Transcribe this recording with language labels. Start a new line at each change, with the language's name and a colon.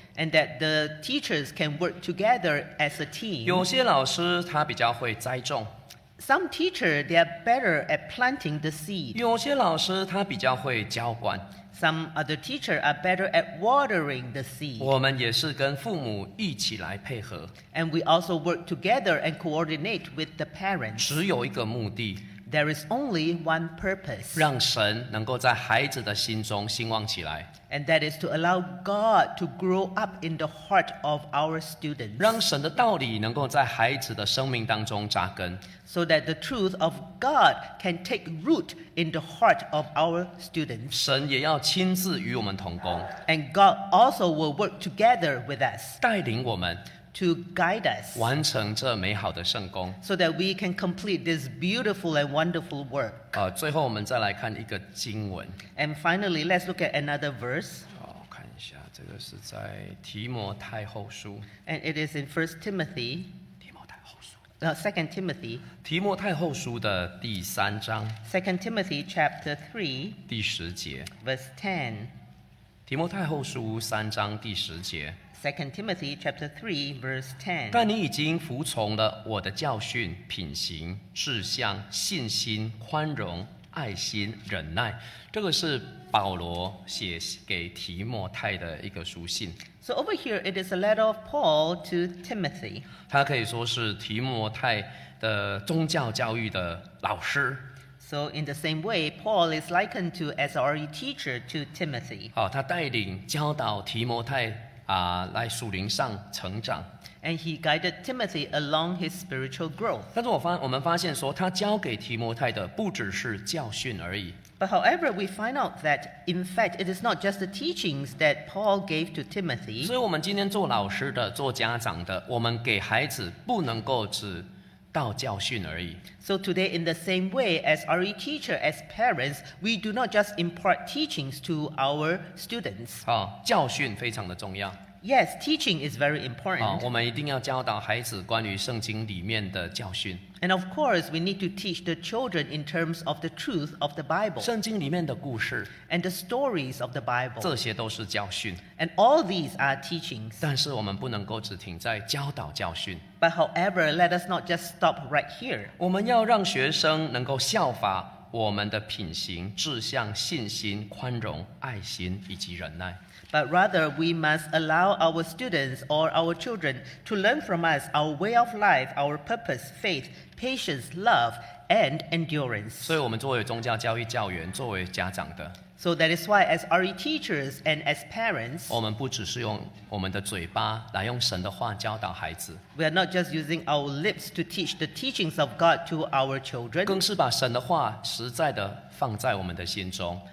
English: And that the teachers can work together as a team.
Chinese: 有些老师他比较会栽种。
English: Some teachers, they are better at planting the seed.
Chinese: 有些老师他比较会浇灌。
English: Some other teachers are better at watering the seed.
Chinese: 我们也是跟父母一起来配合。
English: And we also work together and coordinate with the parents.
Chinese: 只有一个目的。
English: There is only one purpose.
Chinese: 让神能够在孩子的心中兴旺起来。
English: And that is to allow God to grow up in the heart of our students.
Chinese: 让神的道理能够在孩子的生命当中扎根。
English: So that the truth of God can take root in the heart of our students.
Chinese: 神也要亲自与我们同工。
English: And God also will work together with us.
Chinese: 带领我们。
English: To guide us.
Chinese: 完成这美好的圣工。
English: So that we can complete this beautiful and wonderful work.
Chinese: 最后我们再来看一个经文。
English: And finally, let's look at another verse.
Chinese: 看一下，这个是在提摩太后书。
English: And it is in 1 Timothy.
Chinese: 提摩太后书。
English: 2 Timothy.
Chinese: 提摩太后书的第三章。
English: 2 Timothy chapter 3.
Chinese: 第十节。
English: Verse 10.
Chinese: 提摩太后书三章第十节。
English: 2 Timothy chapter 3 verse 10.
Chinese: 但你已经服从了我的教训、品行、志向、信心、宽容、爱心、忍耐。这个是保罗写给提摩太的一个书信。
English: So over here it is a letter of Paul to Timothy.
Chinese: 他可以说是提摩太的宗教教育的老师。
English: So in the same way, Paul is likened to as a RE teacher to Timothy.
Chinese: 他带领教导提摩太来属灵上成长。
English: And he guided Timothy along his spiritual growth.
Chinese: 但是我们发现说他教给提摩太的不只是教训而已。
English: But however, we find out that in fact, it is not just the teachings that Paul gave to Timothy.
Chinese: 所以我们今天做老师的，做家长的，我们给孩子不能够只到教训而已。
English: So today, in the same way, as RE teacher, as parents, we do not just impart teachings to our students.
Chinese: 教训非常的重要。
English: Yes, teaching is very important.
Chinese: 我们一定要教导孩子关于圣经里面的教训。
English: And of course, we need to teach the children in terms of the truth of the Bible.
Chinese: 圣经里面的故事。
English: And the stories of the Bible.
Chinese: 这些都是教训。
English: And all these are teachings.
Chinese: 但是我们不能够只停在教导教训。
English: But however, let us not just stop right here.
Chinese: 我们要让学生能够效法我们的品行，志向信心、宽容、爱心以及忍耐。
English: But rather, we must allow our students or our children to learn from us our way of life, our purpose, faith, patience, love, and endurance.
Chinese: 所以我们作为宗教教育教员，作为家长的。
English: So that is why, as RE teachers and as parents,
Chinese: 我们不只是用我们的嘴巴来用神的话教导孩子。
English: We are not just using our lips to teach the teachings of God to our children.
Chinese: 更是把神的话实在的放在我们的心中。